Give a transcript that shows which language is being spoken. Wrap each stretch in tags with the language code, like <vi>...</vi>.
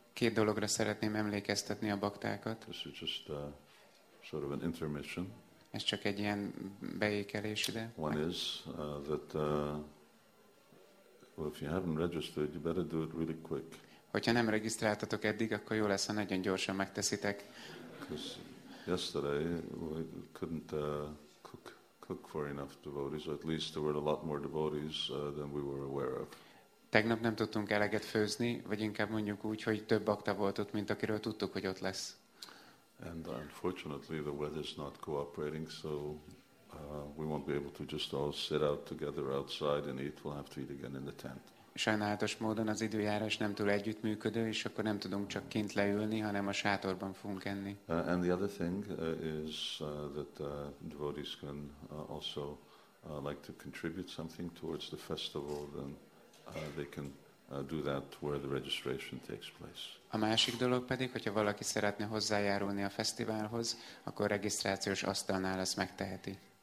<hu>Két dologra szeretném emlékeztetni a baktákat.</hu> <en>This is just sort of an intermission.</en> <hu>Ez csak egy ilyen beékelés ide.</hu> <en>One is that if you haven't registered, you better do it really quick.</en> <hu>Hogyha nem regisztráltatok eddig, akkor jó lesz, ha nagyon gyorsan megteszitek.</hu> <en>Because yesterday we couldn't cook for enough devotees, or at least there were a lot more devotees than we were aware of.</en> <hu>Tegnap nem tudtunk eleget főzni, vagy inkább mondjuk úgy, hogy több bakta volt ott, mint akiről tudtuk, hogy ott lesz.</hu> <en>And unfortunately the weather's not cooperating, so we won't be able to just all sit out together outside and eat. We'll have to eat again in the tent.</en> <hu>Sajnálatos módon az időjárás nem túl együttműködő, és akkor nem tudunk csak kint leülni, hanem a sátorban fogunk enni.</hu> <en>And the other thing is that devotees can also like to contribute something towards the festival, then they can do that where the registration takes place.</en> <hu>A másik dolog pedig, hogyha valaki szeretne hozzájárulni a fesztiválhoz, akkor regisztrációs asztalnál ezt megteheti.</hu>